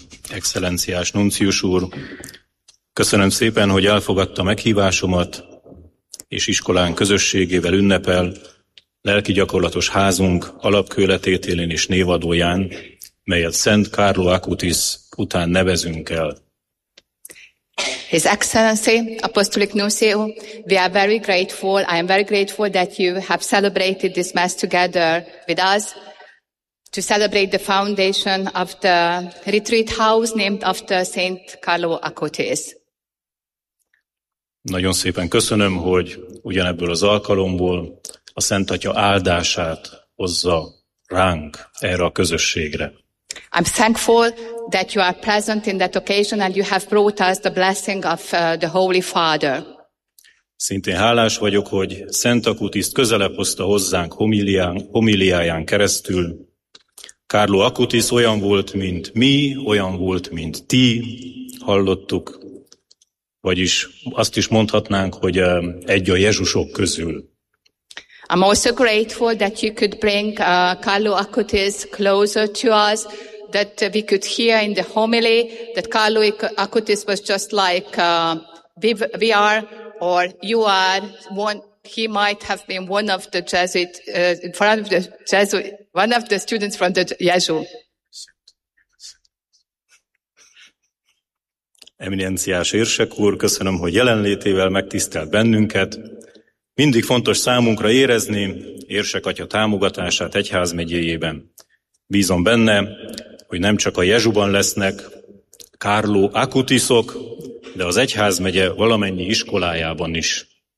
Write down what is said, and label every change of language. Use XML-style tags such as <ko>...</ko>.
<hu>Excellenciás nuncius úr, köszönöm szépen, hogy elfogadta meghívásomat, és iskolán közösségével ünnepel lelki gyakorlatos házunk alapkőletételén és névadóján, melyet Szent Carlo Acutis után nevezünk el.</hu> <en>His Excellency, Apostolic Nuncio, we are very grateful, I am very grateful that you have celebrated this mass together with us, to celebrate the foundation of the retreat house named after Saint Carlo Acutis.</en> <hu>Nagyon szépen köszönöm, hogy ugyanebből az alkalomból a Szentatya áldását hozza ránk erre a közösségre.</hu> <en>I'm thankful that you are present in that occasion and you have brought us the blessing of the Holy Father.</en> <hu>Szintén hálás vagyok, hogy Szent Acutist közelebb hozta hozzánk homiliáján keresztül. Carlo Acutis olyan volt, mint mi, olyan volt, mint ti, hallottuk. Vagyis azt is mondhatnánk, hogy egy a Jézusok közül.</hu> <en>I'm also grateful that you could bring Carlo Acutis closer to us, that we could hear in the homily that Carlo Acutis was just like we are, or you are, one, he might have been one of the Jesuit, in front of the Jesuit, one of the students from the Jesu.</en> <hu>Eminenciás érsek úr, köszönöm, hogy jelenlétével megtisztelt bennünket. Mindig fontos számunkra érezni érsek atya támogatását egyházmegyéjében. Bízom benne, hogy nem csak a Jezsuban lesznek Carlo Acutisok, de az egyházmegye valamennyi iskolájában is.</hu>